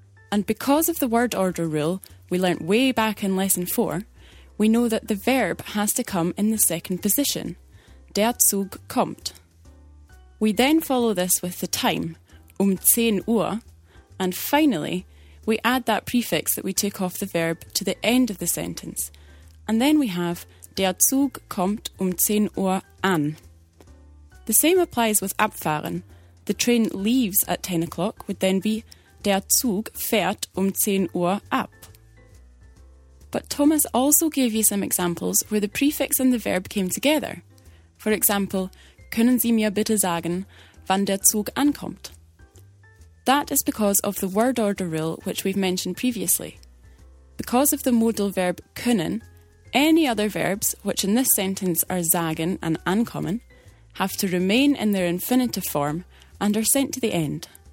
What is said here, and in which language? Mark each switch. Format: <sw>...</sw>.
<en>And because of the word order rule we learnt way back in lesson 4, we know that the verb has to come in the second position,</en> <de>der Zug kommt.</de> <en>We then follow this with the time, 10 Uhr, and finally, we add that prefix that we took off the verb to the end of the sentence. And then we have,</en> <de>der Zug kommt 10 Uhr an.</de> <en>The same applies with abfahren. The train leaves at 10 o'clock would then be,</en> <de>der Zug fährt 10 Uhr ab.</de> <en>but Thomas also gave you some examples where the prefix and the verb came together. For example,</en> <de>können Sie mir bitte sagen, wann der Zug ankommt?</de> <en>That is because of the word order rule which we've mentioned previously. Because of the modal verb können, any other verbs, which in this sentence are sagen and ankommen, have to remain in their infinitive form and are sent to the end.</en>